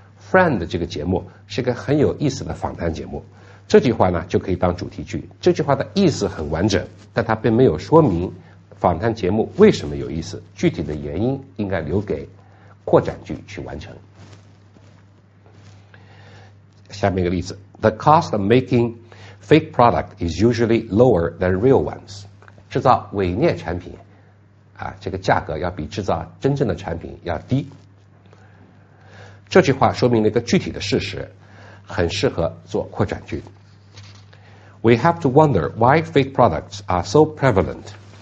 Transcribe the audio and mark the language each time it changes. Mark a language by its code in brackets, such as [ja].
[zh] Friend 这个节目是个很有意思的访谈节目。这句话呢就可以当主题句。这句话的意思很完整，但它并没有说明访谈节目为什么有意思，具体的原因应该留给扩展句去完成。下面一个例子 [en] The cost of making fake product is usually lower than real ones. [zh] 制造伪劣产品啊，这个价格要比制造真正的产品要低。这句话说明了一个具体的事实，很适合做扩展句。 [en] We have to wonder why fake products are so prevalent.